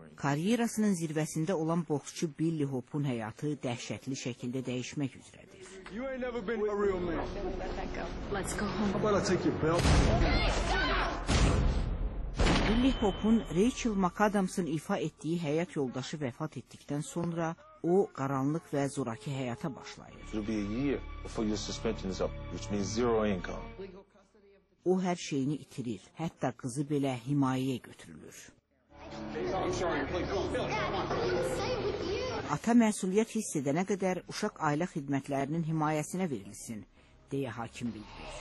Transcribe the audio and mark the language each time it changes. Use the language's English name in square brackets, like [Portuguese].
[Azerbaijani] Kariyerasının zirvəsində olan boksçu Billy Hope'un həyatı dəhşətli şəkildə dəyişmək üzrədir. [English] You ain't never been a real man. Let's go home. How about I take your belt? [Azerbaijani] Billy Hope'un Rachel McAdams'ın ifa etdiyi həyat yoldaşı vəfat etdikdən sonra o qaranlık və zoraki həyata başlayır. [English] It'll be a year before your suspension is up, which means zero income. [Azerbaijani] O hər şeyini itirir, hətta qızı belə himayəyə götürülür. Ata məsuliyyət hiss edənə qədər uşaq ailə xidmətlərinin himayəsinə verilsin, deyə hakim bildirir.